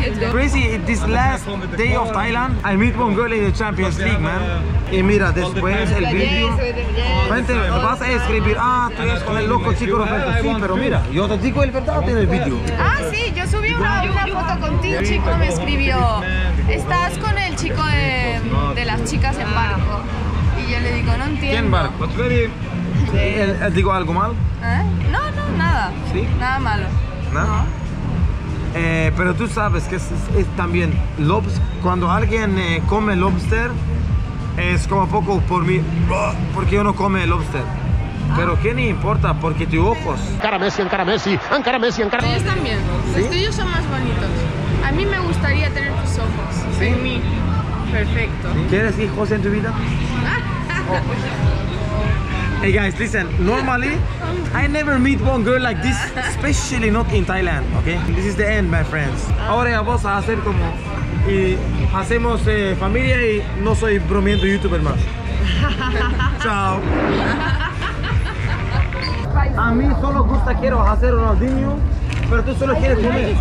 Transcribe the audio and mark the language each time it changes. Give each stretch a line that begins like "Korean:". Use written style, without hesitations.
English: Crazy, this last day of Thailand, I meet one girl in the Champions League, man.
Spanish: Y mira, después el vídeo, gente, vas a escribir, ah, tú eres con el loco chico Roberto, sí, pero mira, yo te digo el verdad en el vídeo. Ah, sí, yo subí una foto contigo, un chico me escribió, estás con el chico de las chicas en barco. Y yo le digo, no entiendo. ¿Quién barco? ¿Él digo algo mal? No, nada. ¿Sí? Nada malo. ¿No? Pero tú sabes que es también lobster. Cuando alguien come lobster, es como poco por mí. Porque uno come lobster. Pero ¿qué ni importa? Porque tus ojos. Encara Messi. Ellos también. ¿Sí? Los tuyos son más bonitos. A mí me gustaría tener tus ojos. Sí. En mí. Perfecto. ¿Sí? ¿Quieres hijos en tu vida?
English: Hey guys, listen, normally I never meet one girl like this, especially not in Thailand, okay? This is the end, my friends.
Spanish: Ahora vamos a hacer como, y hacemos familia y no soy bromeando youtuber más. Chao. A mí solo gusta, quiero hacer Ronaldinho, pero tú solo quieres comer.